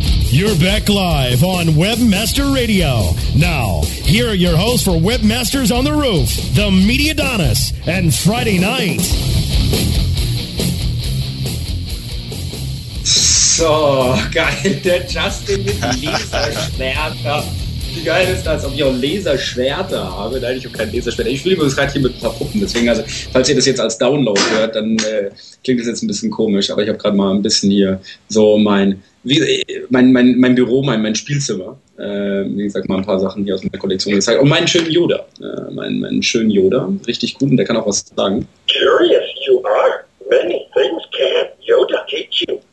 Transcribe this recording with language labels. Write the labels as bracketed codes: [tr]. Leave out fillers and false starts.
[en] You're back live on Webmaster Radio. Now, here are your hosts for Webmasters on the Roof, the Media Donis, and Friday Night. [de] So, geil, der Justin mit Laserschwerter. Wie geil ist das, ob ich auch Laserschwerter habe? Nein, ich habe kein Laserschwerter. Ich spiele übrigens gerade hier mit ein paar Puppen. Deswegen, also, falls ihr das jetzt als Download hört, dann klingt das jetzt ein bisschen komisch. Aber ich habe gerade mal ein bisschen hier so mein Büro, mein Spielzimmer. Wie gesagt, mal ein paar Sachen hier aus meiner Kollektion gezeigt. Und meinen schönen Yoda. meinen schönen Yoda, richtig gut, und der kann auch was sagen. [en] Curious you are, many things can Yoda teach you.